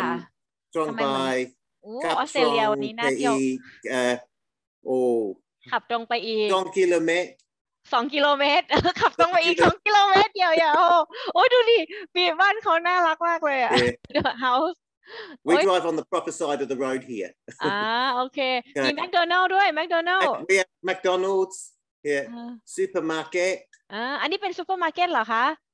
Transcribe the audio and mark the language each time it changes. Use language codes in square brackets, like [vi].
[th] ะตรงไปออสเตรเลียวันนี้น่าเที่ยว โอ้ขับตรงไปอีก 2กิโลเมตร 2กิโลเมตรขับตรงไปอีก2กิโลเมตรเดียวอย่าโอ้โหดูดิปีบ้านเขาน่ารักมากเลยอ่ะ [en] the house we drive on the proper side of the road here [th] โอเคมี McDonald's ด้วย McDonald's [en] McDonald's here supermarket [th] อันนี้เป็นซูเปอร์มาร์เก็ตเหรอคะ